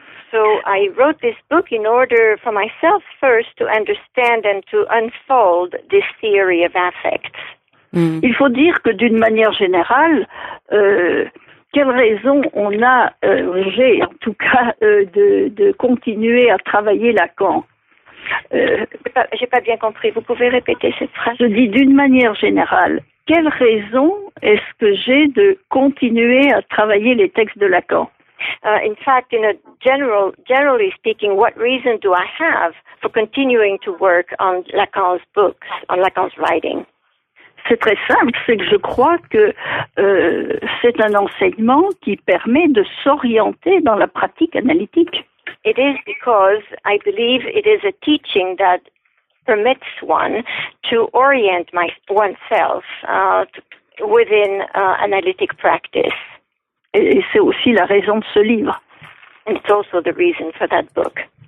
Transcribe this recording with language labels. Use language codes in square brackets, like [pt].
[en] So I wrote this book in order for myself first to understand and to unfold this theory of affects. Mm. [fr] Il faut dire que d'une manière générale, quelle raison on a, j'ai en tout cas, de continuer à travailler Lacan? J'ai pas bien compris. Vous pouvez répéter cette phrase? Je dis d'une manière générale, quelle raison est-ce que j'ai de continuer à travailler les textes de Lacan? [en] In fact, in a generally speaking, what reason do I have for continuing to work on Lacan's books, on Lacan's writing? [fr] C'est très simple, c'est que je crois que c'est un enseignement qui permet de s'orienter dans la pratique analytique. [en] It is because I believe it is a teaching that permits one to orient oneself within analytic practice. [fr] Et c'est aussi la raison de ce livre. [en] And it's also the reason for that book.